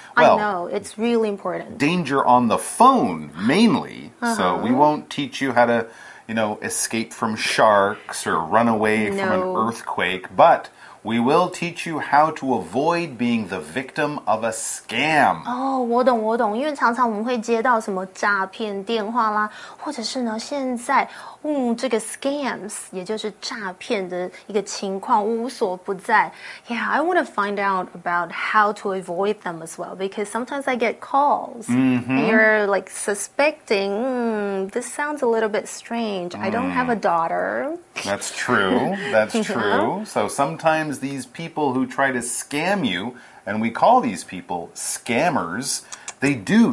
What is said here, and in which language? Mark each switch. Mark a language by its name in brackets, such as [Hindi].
[English] Well, I know. It's really important. Danger on the phone, mainly. Uh-huh. So we won't teach you how to, you know, escape from sharks or run away from an earthquake. But we will teach you how to avoid being the victim of a scam. [Chinese] 我懂，因为常常我们会接到什么诈骗电话啦，或者是呢，现在这个 scams 也就是诈骗的一个情况无所不在。 [English] Yeah, I want to find out about how to avoid them as well, because sometimes I get calls. Mm-hmm. You're like suspecting, this sounds a little bit strange. I don't have a daughter. That's true. So sometimes these people who try to scam you, and we call these people scammers,They do.